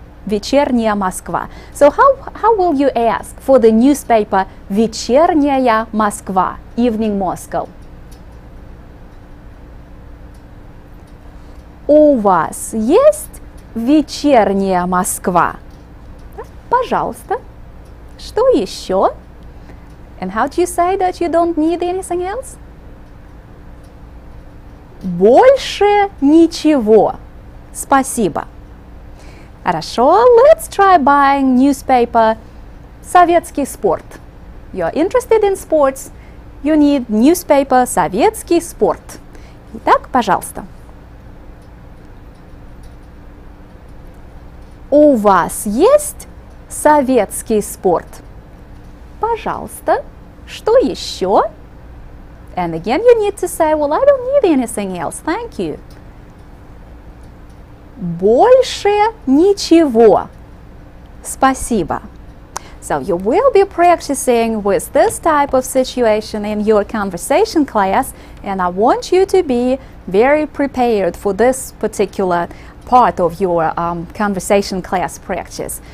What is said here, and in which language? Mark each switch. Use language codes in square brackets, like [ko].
[en] Вечерняя Москва. So how will you ask for the newspaper Вечерняя Москва? Evening Moscow. [ru] У вас есть Вечерняя Москва? Пожалуйста. Что еще? [en] And how do you say that you don't need anything else? [ru] Больше ничего. Спасибо. Хорошо. [en] Let's try buying newspaper Советский спорт. You're interested in sports. You need newspaper Советский спорт. [ru] Итак, пожалуйста. У вас есть Советский спорт? Пожалуйста. Что еще? [en] And again, you need to say, well, I don't need anything else. Thank you. [ru] Больше ничего. Спасибо. [en] So you will be practicing with this type of situation in your conversation class, and I want you to be very prepared for this particular part of your conversation class practice.